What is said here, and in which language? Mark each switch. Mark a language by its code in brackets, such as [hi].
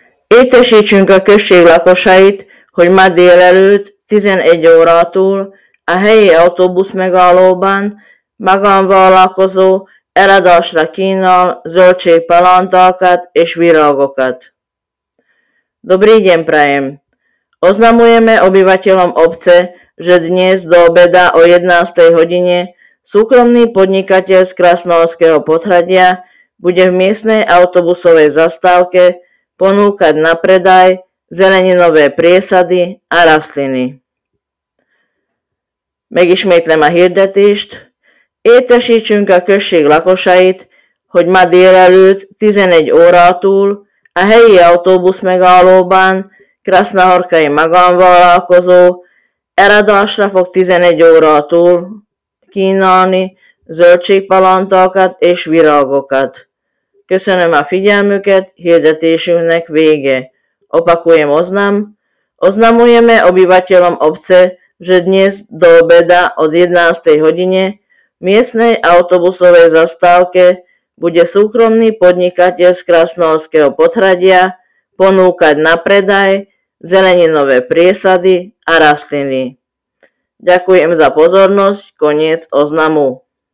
[hu] Értesítsünk a község lakosait, hogy ma délelőtt 11 órától a helyi autóbusz megállóban magánvállalkozó eladásra kínál zöldségpalántákat és virágokat. [sk] Dobrý deň prajem! Oznamujeme obyvateľom obce, že dnes do obeda o 11. hodine súkromný podnikateľ z Krasnohorského podhradia bude v miestnej autobusovej zastávke ponúkať na predaj zeleninové priesady a rastliny. [hu] Megismétlem a hirdetést. Értesítsünk a község lakosait, hogy ma délelőtt 11 órától a helyi autóbusz megállóban krasznahorkai magánvállalkozó eladásra fog 11 órától kínálni zöldségpalántákat és virágokat. Köszönöm a figyelmüket, hirdetésünknek vége. [sk] Opakujem oznam. Oznamujeme obyvateľom obce, že dnes do obeda od 11. hodine v miestnej autobusovej zastávke bude súkromný podnikateľ z Krasnohorského podhradia ponúkať na predaj zeleninové priesady a rastliny. Ďakujem za pozornosť. Koniec oznamu.